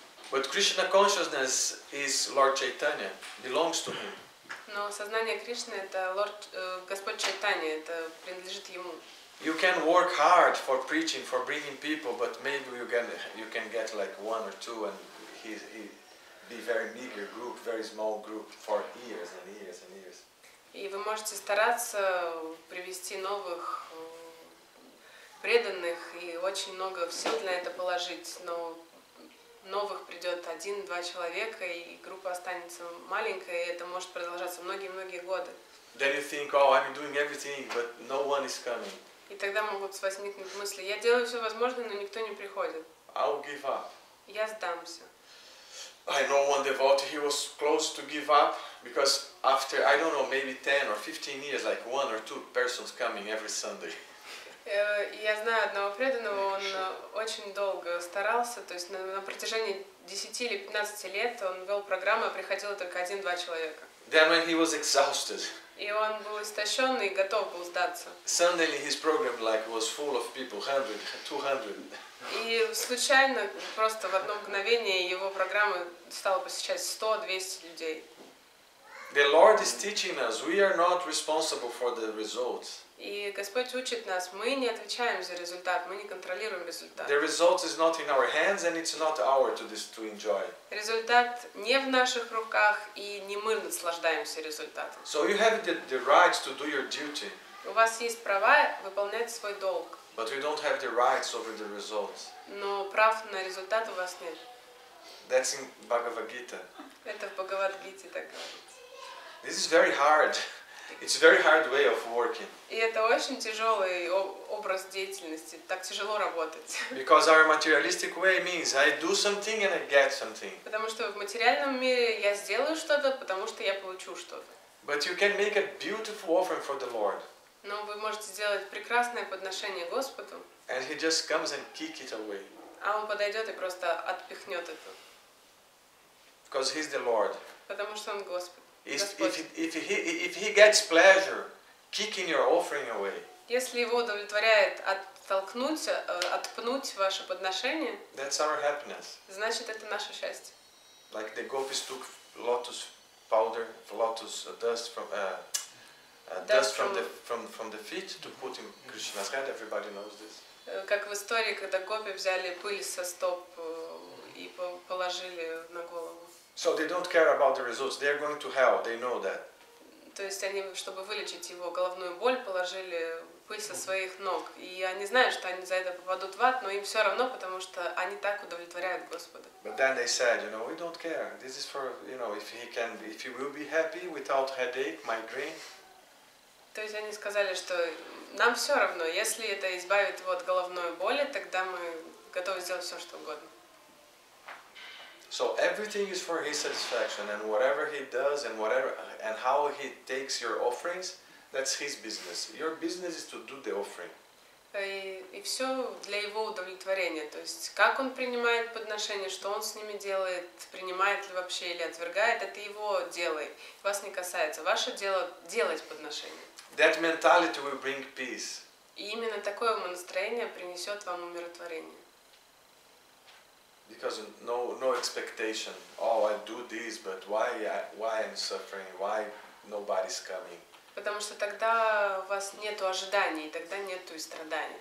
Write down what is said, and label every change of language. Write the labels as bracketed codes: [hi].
[en] But Krishna consciousness is Lord Chaitanya, belongs to him. [ru] Но сознание Кришны — это Господь Чайтанья, это принадлежит ему. [en] You can work hard for preaching, for bringing people, but maybe you can get like one or two, and he be very meager group, very small group for years and years and years. [ru] И вы можете стараться привести новых преданных и очень много сил для этого положить, но новых придет 1-2 человека, и группа останется маленькая, и это может продолжаться многие годы. [en] Then you think, oh, I'm doing everything, but no one is coming. [ru] И тогда могут возникнуть мысли: я делаю все возможное, но никто не приходит. [en] I'll give up. [ru] Я сдамся. [en] I know one devotee, he was close to give up, because after, I don't know, maybe 10 or 15 years, like one or two persons coming every Sunday. [ru] Я знаю одного преданного, он очень долго старался, то есть на протяжении 10 или 15 лет он вел программу, а приходило только 1-2 человека. [en] Then when he was exhausted. [ru] И он был истощен и готов был сдаться. [en] Suddenly his program like was full of people, 100, 200. [ru] И случайно просто в одно мгновение его программы стало посещать 100-200 людей. [en] The Lord is teaching us we are not responsible for the results. [ru] И Господь учит нас, мы не отвечаем за результат, мы не контролируем результат. [en] The result is not in our hands and it's not our to enjoy. [ru] Результат не в наших руках и не мы наслаждаемся результатом. [en] So you have the right to do your duty. [ru] У вас есть права выполнять свой долг. [en] But you don't have the rights over the results. [ru] Но прав на результат у вас нет. [en] That's in Bhagavad Gita. [ru] Это в Бхагавад-гите так говорится. [en] This is very hard. It's a very hard way of working. [ru] И это очень тяжелый образ деятельности. Так тяжело работать. [en] Because our materialistic way means I do something and I get something. [ru] Потому что в материальном мире я сделаю что-то, потому что я получу что-то. [en] But you can make a beautiful offering for the Lord. [ru] Но вы можете сделать прекрасное подношение Господу. [en] And he just comes and kick it away. [ru] А он подойдет и просто отпихнет это. [en] Because he's the Lord. [ru] Потому что он Господь. [en] If he gets pleasure, kicking your offering away. [ru] Если его удовлетворяет оттолкнуть, отпнуть ваше подношение, [en] that's our happiness. [ru] Значит, это наше счастье. [en] Like the gopis took lotus powder, lotus dust from the feet to put in Krishna's hand. Everybody knows this. [ru] Как в истории, когда гопи взяли пыль со стоп и положили на голову. [en] So they don't care about the results. They are going to hell. They know that. [ru] То есть они, чтобы вылечить его головную боль, положили пыль со своих ног, и они знают, что они за это попадут в ад, но им все равно, потому что они так удовлетворяют Господа. [en] But then they said, you know, we don't care. This is for, you know, if he can, if he will be happy without headache, migraine. [ru] То есть они сказали, что нам все равно, если это избавит его от головной боли, тогда мы готовы сделать все, что угодно. [en] So everything is for his satisfaction, and whatever he does, and whatever, and how he takes your offerings, that's his business. Your business is to do the offering. [ru] И все для его удовлетворения, то есть как он принимает подношения, что он с ними делает, принимает ли вообще или отвергает, это его дело, вас не касается. Ваше дело делать подношения. [en] That mentality will bring peace. [ru] И именно такое настроение принесет вам умиротворение. [en] Because no expectation. Oh, I do this, but why I'm suffering? Why nobody's coming? [ru] Потому что тогда у вас нету ожиданий, тогда нету и страданий.